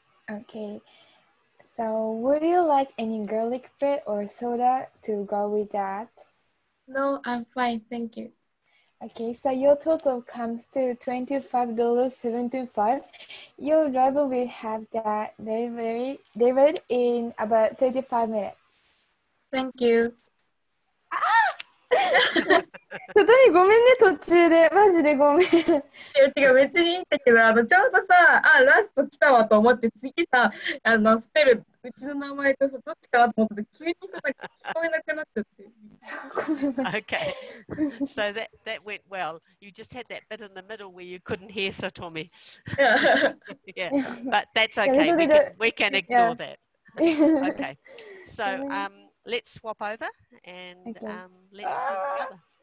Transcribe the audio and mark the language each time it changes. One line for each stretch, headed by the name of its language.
English: Okay, so would you like any garlic bread or soda to go with that? No, I'm fine, thank you. Okay, so your total comes to $25.75. Your driver will have that delivered in about 35 minutes. Thank you.
Japanese: ちょっとごめんね途中でマジでごめん。いや違う別にいいんだけどちょうどさあラスト来たわと思って次さスペルうちの名前とさどっちかなと思って急にさ聞こえなくなっちゃって。
English: Okay, so that went well. You just had that bit in the middle where you couldn't hear Satomi. Yeah, but that's okay. We can ignore that. Okay, so let's swap over and let's go together.